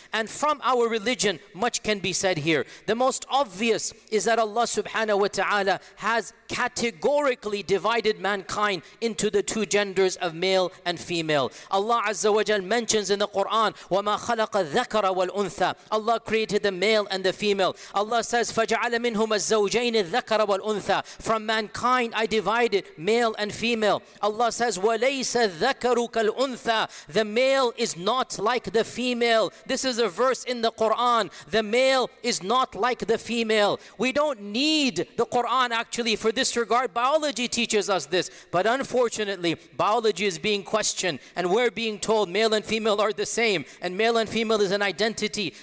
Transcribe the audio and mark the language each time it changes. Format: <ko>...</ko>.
<en>And from our religion, much can be said here. The most obvious is that Allah subhanahu wa ta'ala has categorically divided mankind into the two genders of male and female. Allah Azza wa Jal mentions in the Quran,</en> <ar>وَمَا خَلَقَ الذَّكَرَ وَالْأُنْثَى.</ar> <en>Allah created the male and the female. Allah says,</en> <ar>فَجَعَلَ مِنْهُمَ الزَّوْجَيْنِ الذَّكَرَ وَالْأُنْثَى.</ar> <en>From mankind I divided male and female. Allah says,</en> <ar>وَلَيْسَ الذَّكَرُ كَالْأُنْثَى.</ar> <en>The male is not like the female. This is a verse in the Quran. The male is not like the female. We don't need the Quran actually for this regard. Biology teaches us this. But unfortunately, biology is being questioned and we're being told male and female are the same and male and female is an identity.</en>